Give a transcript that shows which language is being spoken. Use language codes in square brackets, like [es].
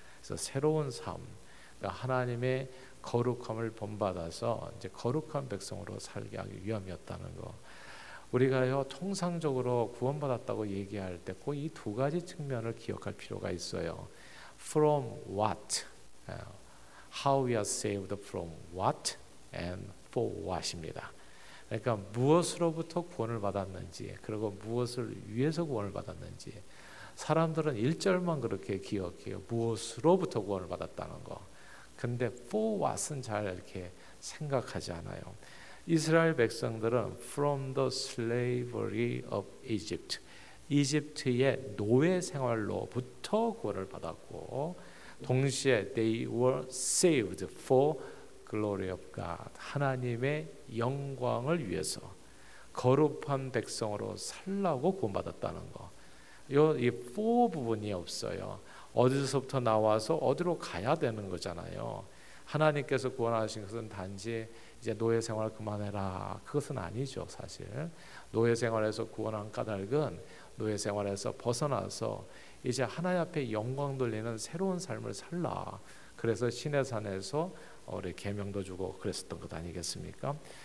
[ko] 그래서 새로운 삶, 그러니까 하나님의 거룩함을 본받아서 이제 거룩한 백성으로 살게 하기 위함이었다는 거. 우리가요, 통상적으로 구원받았다고 얘기할 때꼭이두 가지 측면을 기억할 필요가 있어요. [en] From what? How we are saved from what and for what입니다. [ko] 그러니까 무엇으로부터 구원을 받았는지, 그리고 무엇을 위해서 구원을 받았는지. 사람들은 1절만 그렇게 기억해요. 무엇으로부터 구원을 받았다는 거. 근데 [en] for what [ko] 은 잘 이렇게 생각하지 않아요. 이스라엘 백성들은 [en] from the slavery of Egypt, [ko] 이집트의 노예 생활로부터 구원을 받았고, 동시에 [en] they were saved for glory of God, [ko] 하나님의 영광을 위해서. 거룩한 백성으로 살라고 구원받았다는 거. 이 포 부분이 없어요. 어디서부터 나와서 어디로 가야 되는 거잖아요. 하나님께서 구원하신 것은 단지 이제 노예 생활을 그만해라, 그것은 아니죠. 사실 노예 생활에서 구원한 까닭은 노예 생활에서 벗어나서 이제 하나님 앞에 영광 돌리는 새로운 삶을 살라, 그래서 시내산에서 우리 계명도 주고 그랬었던 것 아니겠습니까?